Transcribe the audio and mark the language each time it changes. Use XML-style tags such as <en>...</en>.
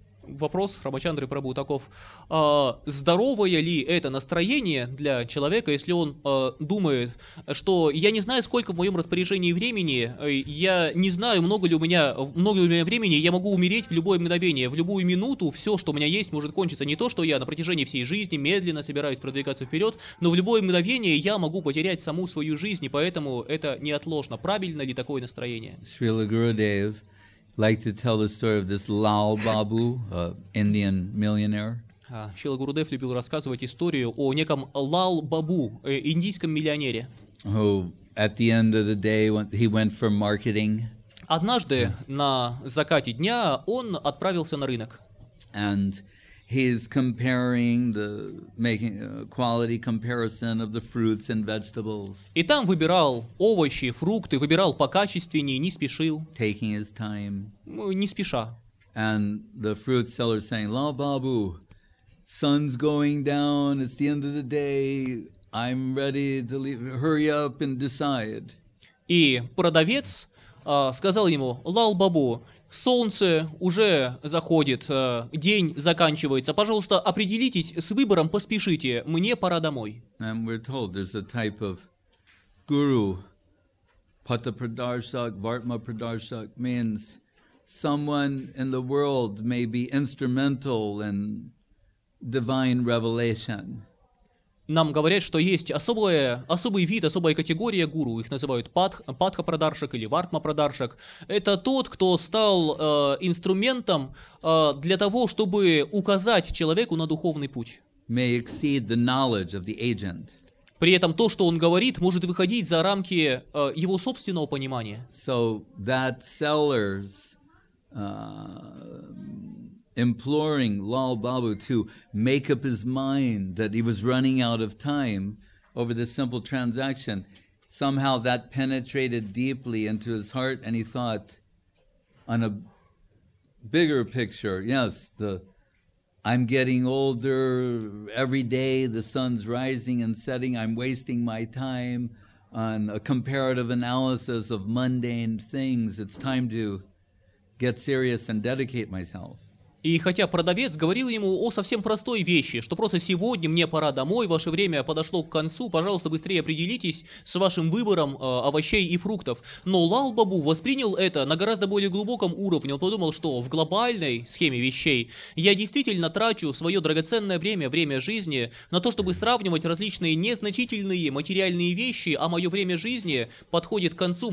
<ru>Вопрос Рамачандры Прабху таков, здоровое ли это настроение для человека, если он думает, что я не знаю, сколько в моем распоряжении времени, я не знаю, много ли у меня времени, я могу умереть в любое мгновение, в любую минуту все, что у меня есть, может кончиться. Не то, что я на протяжении всей жизни медленно собираюсь продвигаться вперед, но в любое мгновение я могу потерять саму свою жизнь, и поэтому это неотложно. Правильно ли такое настроение?</ru> <en>Srila Gurudev. Like to tell the story of this Lal Babu, Indian millionaire.</en> <ru>Шрила Гурудев любил рассказывать историю о неком Лал Бабу, индийском миллионере.</ru> <en>Who at the end of the day he went for marketing.</en> <ru>Однажды на закате дня он отправился на рынок.</ru> <en>And he's comparing the making quality comparison of the fruits and vegetables.</en> <ru>И там выбирал овощи, фрукты, выбирал покачественнее, не спешил.</ru> <en>Taking his time.</en> <ru>Не спеша.</ru> <en>And the fruit seller saying, "Lal Babu, sun's going down. It's the end of the day. I'm ready to leave. Hurry up and decide."</en> <ru>И продавец сказал ему, "Лал Бабу, Солнце уже заходит, день заканчивается. Пожалуйста, определитесь с выбором, поспешите. Мне пора домой.</ru> <en>And we're told there's a type of guru, Pata Pradarshak, Vartma Pradarshak, means someone in the world may be instrumental in divine revelation.</en> <ru>Нам говорят, что есть особый вид, особая категория гуру. Их называют Патха Прадаршак или Вартма Прадаршак. Это тот, кто стал инструментом для того, чтобы указать человеку на духовный путь.</ru> <en>May exceed the knowledge of the agent.</en> <ru>При этом то, что он говорит, может выходить за рамки его собственного понимания.</ru> <en>So that seller's imploring Lal Babu to make up his mind that he was running out of time over this simple transaction. Somehow that penetrated deeply into his heart, and he thought on a bigger picture, yes, I'm getting older every day, the sun's rising and setting, I'm wasting my time on a comparative analysis of mundane things. It's time to get serious and dedicate myself.</en> <ru>И хотя продавец говорил ему о совсем простой вещи, что просто сегодня мне пора домой, ваше время подошло к концу, пожалуйста, быстрее определитесь с вашим выбором овощей и фруктов. Но Лал Бабу воспринял это на гораздо более глубоком уровне. Он подумал, что в глобальной схеме вещей я действительно трачу свое драгоценное время, время жизни, на то, чтобы сравнивать различные незначительные материальные вещи, а мое время жизни подходит к концу.</ru>